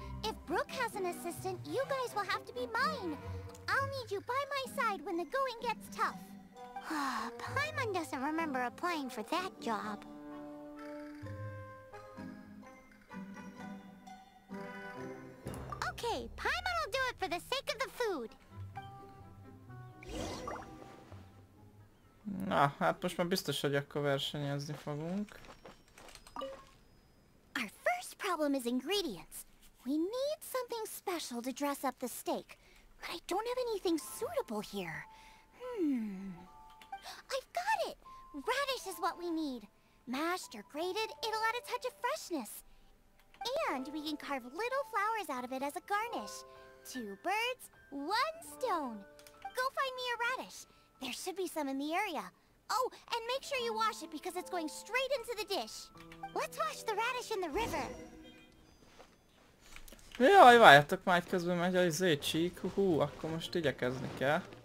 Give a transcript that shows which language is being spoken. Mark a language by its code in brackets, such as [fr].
[en] If Brooke has an assistant, you guys will have to be mine. I'll need you by my side when the going gets tough. Paimon doesn't remember applying for that job. Okay, Paimon will do it for the sake of the food. [hu] Na, hát most már biztos, hogy akkor versenyezni fogunk. [en] Problem is ingredients. We need something special to dress up the steak, but I don't have anything suitable here. I've got it! Radish is what we need. Mashed or grated, it'll add a touch of freshness. And we can carve little flowers out of it as a garnish. Two birds, one stone. Go find me a radish. There should be some in the area. Oh, and make sure you wash it because it's going straight into the dish. Let's wash the radish in the river. [hu] Jaj, várjátok, majd közben megy az zécsík, hú, akkor most igyekezni kell.